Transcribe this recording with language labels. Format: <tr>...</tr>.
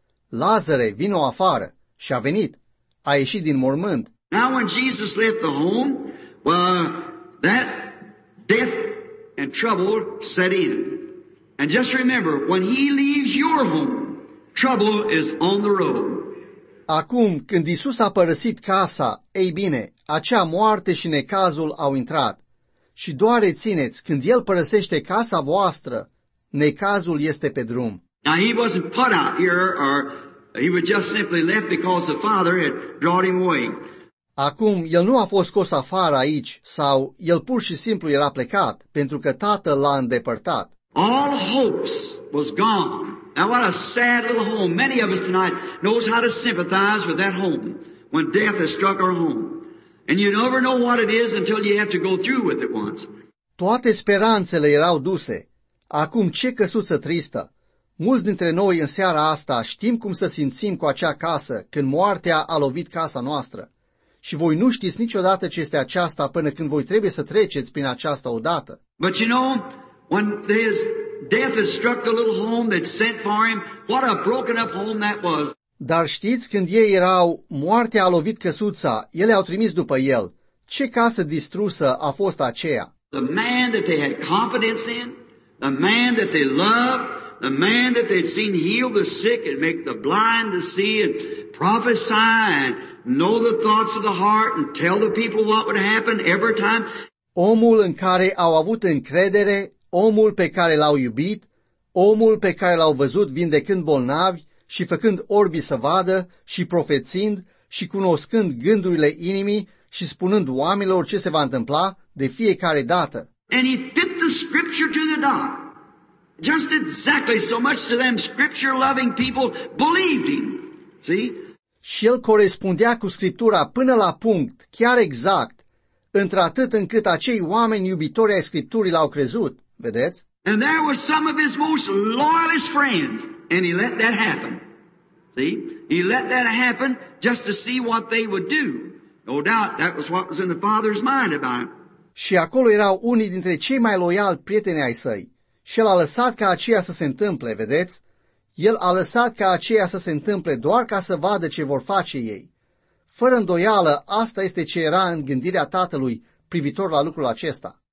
<ro>Lazare, vino afară. Și a venit. A ieșit din mormânt.</ro> <en>Now when Jesus left the home, well, that death and trouble set in. And just remember, when he leaves your home, trouble is on the road.</en> <ro>Acum, când Iisus a părăsit casa, ei bine, acea moarte și necazul au intrat. Și doar rețineți, când el părăsește casa voastră, necazul este pe drum.</ro> <en>Now he wasn't put out here, or he was just simply left because the Father had drawn him away.</en> <ro>Acum, el nu a fost scos afară aici, sau el pur și simplu era plecat, pentru că tatăl l-a îndepărtat.</ro> <en>All hopes was gone. Now what a sad little home. Many of us tonight knows how to sympathize with that home when death has struck our home. And you never know what it is until you have to go through with it once.</en> <ro>Toate speranțele erau duse. Acum ce căsuță tristă. Mulți dintre noi în seara asta știm cum să simțim cu acea casă când moartea a lovit casa noastră. Și voi nu știți niciodată ce este aceasta până când voi trebuie să treceți prin aceasta odată.</ro> <en>But you know, when his death has struck the little home that sent for him, what a broken up home that was.</en> <ro>Dar știți, când ei erau, moartea a lovit căsuța, ele au trimis după el. Ce casă distrusă a fost aceea?</ro> <en>The man that they had confidence in, the man that they loved, the man that they'd seen heal the sick and make the blind to see and prophesy and know the thoughts of the heart and tell the people what would happen every time.</en> <ro>Omul în care au avut încredere, omul pe care l-au iubit, omul pe care l-au văzut vindecând bolnavi, și făcând orbii să vadă, și profețind, și cunoscând gândurile inimii, și spunând oamenilor ce se va întâmpla de fiecare dată.</ro> <en>And he fit the scripture to the dot. Just exactly so much to them scripture-loving people believed him. See?</en> <ro>Și el corespundea cu scriptura până la punct, chiar exact, într-atât încât acei oameni iubitori ai scripturii l-au crezut, vedeți?</ro> <en>And there were some of his most loyalist friends. And he let that happen. See? He let that happen just to see what they would do. No doubt that was what was in the Father's mind about it.</en> <ro>Și acolo erau unii dintre cei mai loiali prieteni ai săi. Și el a lăsat ca aceea să se întâmple, vedeți? El a lăsat ca aceea să se întâmple doar ca să vadă ce vor face ei. Fără îndoială, asta este ce era în gândirea tatălui privitor la lucrul acesta.</ro>